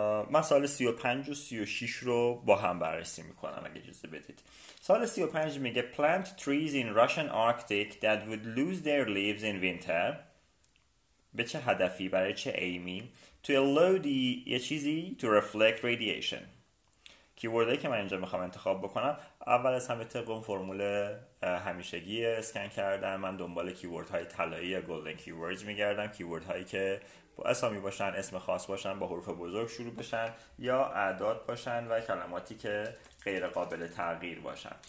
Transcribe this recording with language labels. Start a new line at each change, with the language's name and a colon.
Persian: من سوال 35 و 36 رو با هم بررسی میکنم اگه اجازه بدید. سوال 35 میگه
English: plant trees in Russian Arctic that would lose their leaves in winter.
Persian: به چه هدفی، برای چه ایمی؟
English: To allow the
Persian: یه چیزی
English: to reflect radiation.
Persian: کیوردهایی که من اینجا میخوام انتخاب بکنم، اول از همه طبق اون فرمول همیشگی اسکن کردن، من دنبال کیورد های طلایی یا گلدن کیوردز میگردم، کیورد هایی که با اسامی باشن، اسم خاص باشن، با حروف بزرگ شروع بشن یا اعداد باشن و کلماتی که غیر قابل تغییر باشن.